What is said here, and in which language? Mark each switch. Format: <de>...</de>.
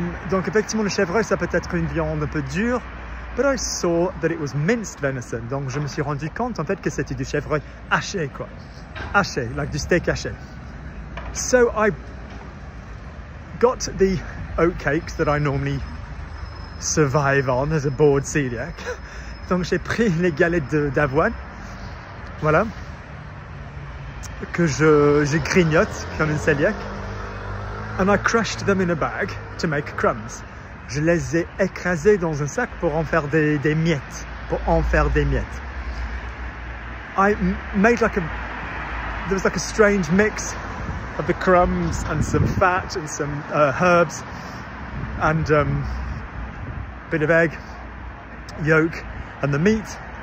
<fr>Donc effectivement, le chevreuil, ça peut être une viande un peu dure.</fr> <en>But I saw that it was minced venison.</en> <fr>Donc je me suis rendu compte en fait que c'était du chevreuil haché, quoi. Haché, like du steak haché.</fr> <en>So I got the oat cakes that I normally survive on as a bored celiac.</en> <fr>Donc j'ai pris les galettes d'avoine, voilà, que je grignote comme une celiac.</fr> <en>And I crushed them in a bag to make crumbs.</en> <fr>Je les ai écrasés dans un sac pour en faire des miettes. Pour en faire des miettes.</fr> <en>I made there was like a strange mix of the crumbs and some fat and some herbs and a bit of egg, yolk and the meat.</en>